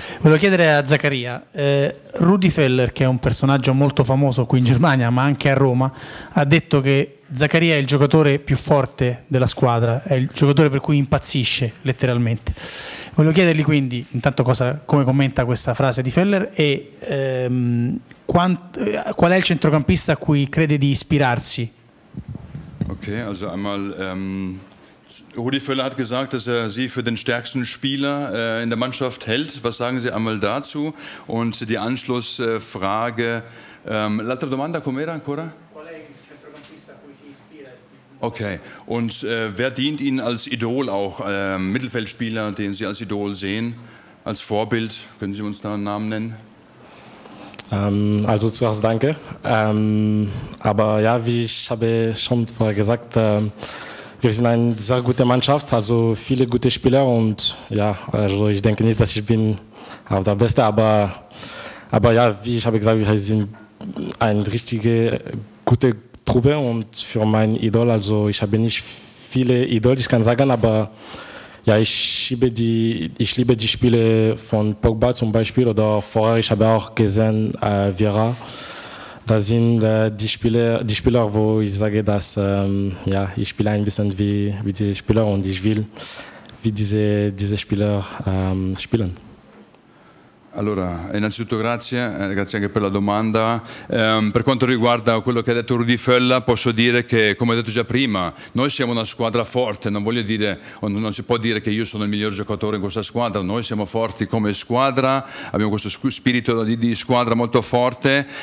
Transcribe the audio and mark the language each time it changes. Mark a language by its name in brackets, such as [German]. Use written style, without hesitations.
[Italian] Volevo chiedere a Zaccaria, Rudi Feller, che è un personaggio molto famoso qui in Germania ma anche a Roma, ha detto che Zaccaria è il giocatore più forte della squadra, è il giocatore per cui impazzisce letteralmente. Volevo chiedergli quindi intanto come commenta questa frase di Feller e qual è il centrocampista a cui crede di ispirarsi. [German] Ok, also einmal Rudi Völler hat gesagt, dass er Sie für den stärksten Spieler in der Mannschaft hält. Was sagen Sie einmal dazu? Und die Anschlussfrage, [Italian] l'altra domanda com'era ancora? Qual è il centrocampista a cui si ispira? [German] Okay, und wer dient Ihnen als Idol auch? Mittelfeldspieler, den Sie als Idol sehen, als Vorbild? Können Sie uns da einen Namen nennen? Also zuerst danke. Aber ja, wie ich habe schon vorher gesagt, wir sind eine sehr gute Mannschaft, also viele gute Spieler und ja, also ich denke nicht, dass ich bin auch der Beste, aber ja, wie ich habe gesagt, wir sind eine richtige gute Truppe und für mein Idol, also ich habe nicht viele Idol, ich kann sagen, aber ja, ich liebe die Spiele von Pogba zum Beispiel oder vorher, ich habe auch gesehen, Vieira. Das sind die Spieler, wo ich sage, dass ja, ich spiele ein bisschen wie diese Spieler und ich will wie diese Spieler spielen. [Italian] Allora, innanzitutto grazie anche per la domanda. Per quanto riguarda quello che ha detto Rudi Völler, posso dire che, come ho detto già prima, noi siamo una squadra forte, non voglio dire, non si può dire che io sono il miglior giocatore in questa squadra, noi siamo forti come squadra, abbiamo questo spirito di squadra molto forte.